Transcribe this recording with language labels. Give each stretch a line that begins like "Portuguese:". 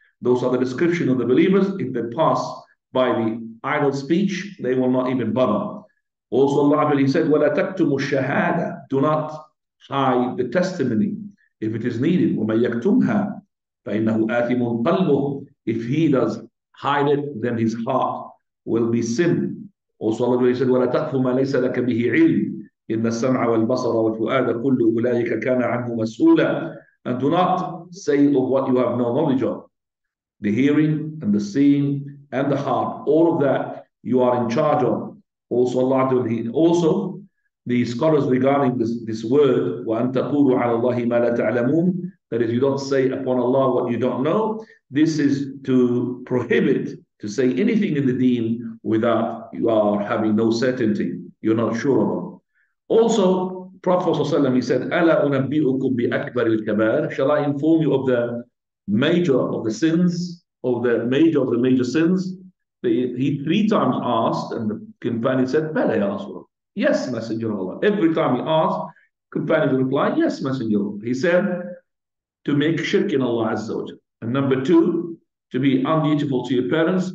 English: Those are the description of the believers. If they pass by the idle speech, they will not even bother. Also Allah said,
Arabic: وَلَا تَكْتُمُ الشَّهَادَةَ.
English: Do not hide the testimony. if it is needed.
Arabic: وَمَنْ يَكْتُمْهَا فَإِنَّهُ آثِمٌ قَلْبُهُ.
English: If he does hide it, then his heart will be sin. Also Allah said,
Arabic: وَلَا تَأْفُ مَا لَيْسَ لَكَ بِهِ عِلْمٍ إِنَّ السَّمْعَ وَالْبَصَرَ وَالْفُؤَادَ كُلُّ أُولَٰئِكَ كَانَ عَنْهُ مَسْئُولًا.
English: And do not say of what you have no knowledge of. The hearing and the seeing and the heart, all of that you are in charge of. Also Allah said, also the scholars regarding this word,
Arabic: وَأَنْتَ قُولُ عَلَى اللَّهِ مَا لَا تَعْلَمُونَ.
English: That is, you don't say upon Allah what you don't know. This is to prohibit to say anything in the deen without you are having no certainty. You're not sure of it. Also, Prophet ﷺ, he said,
Arabic: أَلَا أُنَبِّئُكُمْ بِأَكْبَرِ الْكَبَارِ.
English: Shall I inform you of the major of the sins, of the major of the major sins? He three times asked, and the companion said,
Arabic: بَلَا يَا رَسُولَ.
English: Yes, Messenger of Allah. Every time he asked, companion replied, yes, Messenger of Allah. He said, to make shirk in Allah Azza wa Jalla. And number two, to be undutiful to your parents.